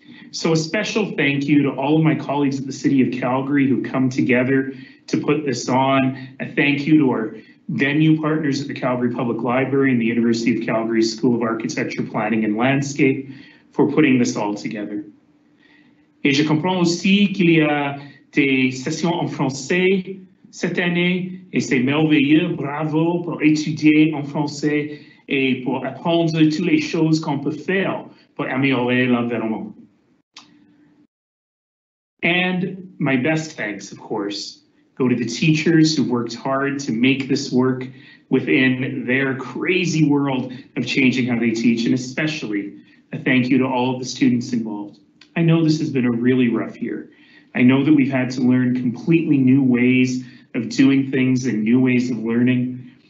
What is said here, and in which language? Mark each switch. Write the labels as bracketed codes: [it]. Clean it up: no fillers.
[en] So a special thank you to all of my colleagues at the City of Calgary who come together to put this on. A thank you to our venue partners at the Calgary Public Library and the University of Calgary School of Architecture, Planning and Landscape for putting this all together. [fr] Et je comprends aussi qu'il y a des sessions en français cette année, et c'est merveilleux, bravo pour étudier en français et pour apprendre toutes les choses qu'on peut faire pour améliorer l'environnement. [en] And my best thanks, of course, go to the teachers who worked hard to make this work within their crazy world of changing how they teach, and especially a thank you to all of the students involved. I know this has been a really rough year. I know that we've had to learn completely new ways of doing things and new ways of learning.